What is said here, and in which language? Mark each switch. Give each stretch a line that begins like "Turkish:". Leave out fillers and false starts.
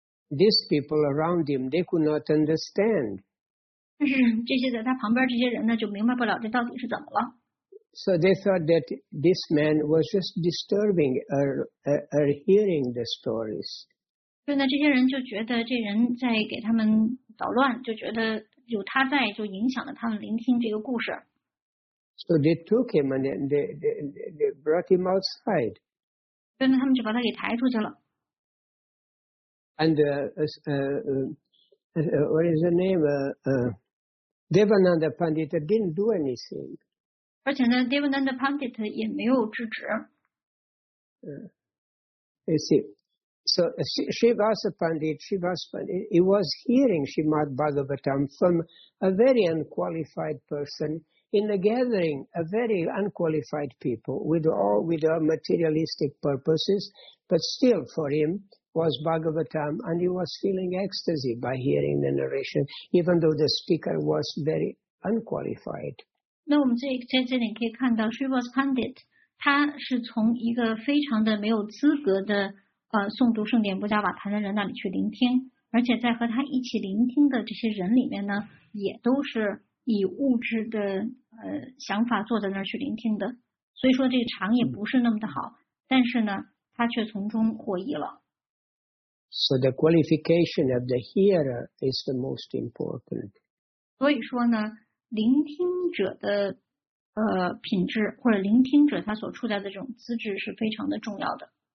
English: These people around him, they could not understand.
Chinese: 但是这些在他旁边这些人呢，就明白不了这到底是怎么了。
English: So they thought that this man was just disturbing or hearing the stories.
Chinese: 所以呢，这些人就觉得这人在给他们捣乱，就觉得有他在就影响了他们聆听这个故事。
English: So they took him and they brought him outside.
Chinese: 对呢，他们就把他给抬出去了。
English: And what is the name? Devananda Pandita didn't do anything.
Chinese: 而且呢 ，Devananda Pandit 也没有制止。
English: You see, so Shivas Pandit, he was hearing Srimad Bhagavatam from a very unqualified person. In the gathering, a very unqualified people with all materialistic purposes, but still for him was Bhagavatam, and he was feeling ecstasy by hearing the narration, even though the speaker was very unqualified.
Chinese: 那我们在这里可以看到 Shrivas Pandit, 他是从一个非常的没有资格的诵读圣典布加瓦坛的人那里去聆听，而且在和他一起聆听的这些人里面呢，也都是以物质的想法坐在那儿去聆听的，所以说这个场也不是那么的好，但是呢，他却从中获益了。
English: So the qualification of the hearer is the most important.
Chinese: 所以说呢，聆听者的品质或者聆听者他所处在的这种资质是非常的重要的。